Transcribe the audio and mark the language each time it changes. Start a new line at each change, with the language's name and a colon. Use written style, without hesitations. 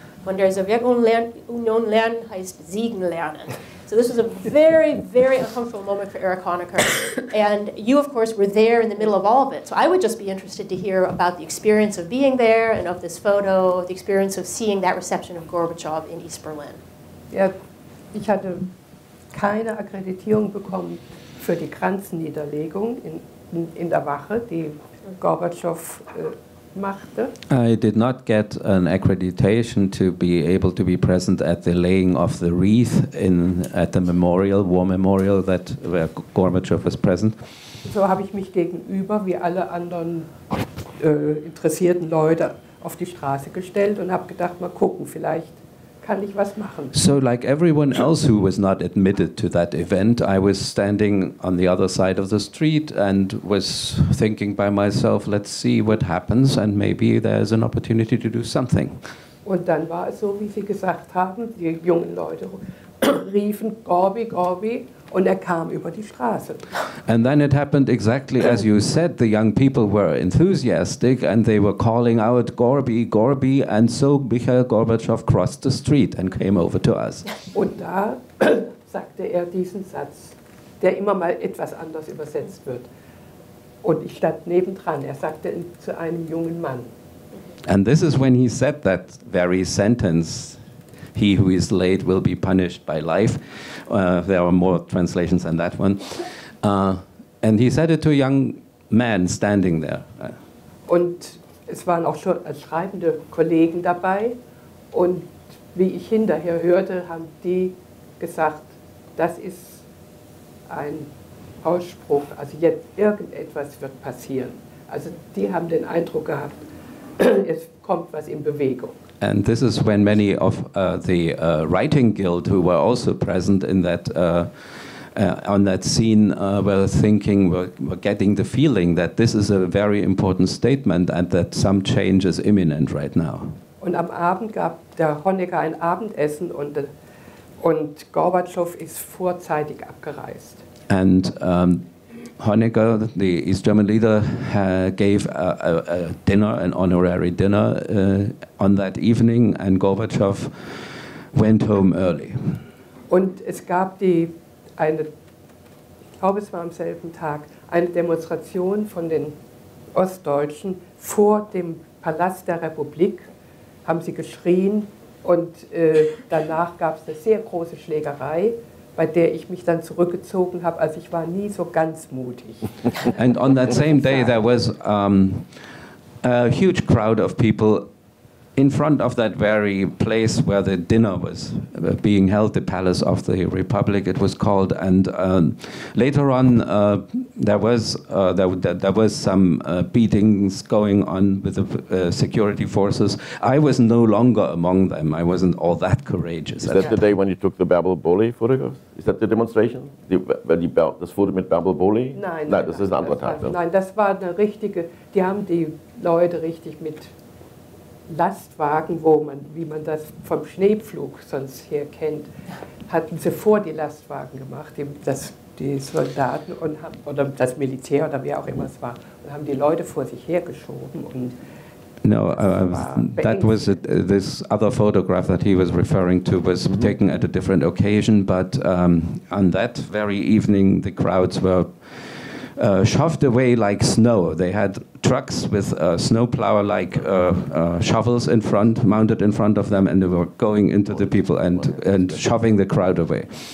German: Von der Sowjetunion lernen heißt Siegen lernen.
English: So this was a very, very uncomfortable moment for Erich Honecker. And you, of course, were there in the middle of all of it. So I would just be interested to hear about the experience of being there and of this photo, the experience of seeing that reception of Gorbachev in East Berlin.
German: Ja, ich hatte keine Akkreditierung bekommen für die Kranzniederlegung in der Wache, die Gorbachev
English: I did not get an accreditation to be able to be present at the laying of the wreath at the memorial, war memorial, that where Gorbachev was present.
German: So habe ich mich gegenüber wie alle anderen interessierten Leute auf die Straße gestellt und habe gedacht, mal gucken, vielleicht kann ich was machen.
English: So like everyone else who was not admitted to that event, I was standing on the other side of the street and was thinking by myself, let's see what happens and maybe there's an opportunity to do something.
German: Und dann war es so, wie Sie gesagt haben, die jungen Leute riefen Gorbi, Gorbi, und kam über die Straße.
English: And then it happened exactly as you said, the young people were enthusiastic and they were calling out Gorbi, Gorbi, and so Mikhail Gorbachev crossed the street and came over to us.
German: Und da sagte diesen Satz, der immer mal etwas anders übersetzt wird. Und ich stand nebendran, sagte zu einem jungen Mann.
English: And this is when he said that very sentence, "He who is late will be punished by life." There are more translations than that one. And he said it to a young man standing there.
German: Und es waren auch schon schreibende Kollegen dabei. Und wie ich hinterher hörte, haben die gesagt, das ist ein Ausspruch. Also jetzt irgendetwas wird passieren. Also die haben den Eindruck gehabt, es kommt was in Bewegung.
English: And this is when many of the writing guild who were also present in that on that scene were getting the feeling that this is a very important statement and that some change is imminent right now.
German: Und am Abend gab der Honecker ein Abendessen und Gorbachev ist vorzeitig abgereist.
English: And Honecker, the East German leader, gave a dinner, an honorary dinner, on that evening, and Gorbachev went home early.
German: Und es gab ich glaube, es war am selben Tag, eine Demonstration von den Ostdeutschen vor dem Palast der Republik, haben sie geschrien, und danach gab es eine sehr große Schlägerei, bei der ich mich dann zurückgezogen habe, also ich war nie so ganz mutig.
English: And on that same day there was a huge crowd of people in front of that very place where the dinner was being held, the Palace of the Republic, it was called. And later on, there was some beatings going on with the security forces. I was no longer among them. I wasn't all that courageous. Is that the day when you took the Babel Bully photographs? Is that the demonstration? When you bought this photo with Babel Bully?
German: Nein, das ist ein anderer Tag. Nein, das war eine richtige. Die haben die Leute richtig mit Lastwagen, wie man das vom Schneepflug sonst her kennt, hatten sie vor die Lastwagen gemacht, die Soldaten und oder das Militär oder wer auch immer es war, und haben die Leute vor sich hergeschoben. Und
English: no, that was this other photograph that he was referring to was mm-hmm. taken at a different occasion, but on that very evening the crowds were shoved away like snow. They had trucks with snowplow-like shovels in front, mounted in front of them, and they were going into the people and shoving the crowd away.